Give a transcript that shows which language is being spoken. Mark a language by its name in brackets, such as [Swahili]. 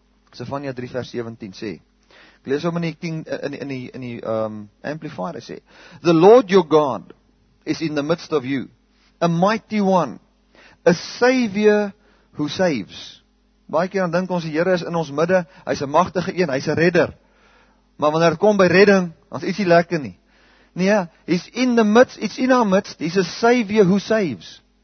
[Afrikaans] Sefanja 3 vers 17 sê, ek lees hom in die Amplified, hy sê, [English] "The Lord your God is in the midst of you, a mighty one, a savior who saves." [Afrikaans] Baie keer dan dink ons, die Here is in ons midde, hy is 'n magtige een, hy is 'n redder. Maar wanneer het kom by redding, dan is iets nie lekker nie. Nee, [English] he's in the midst, it's in our midst, he's a savior who saves.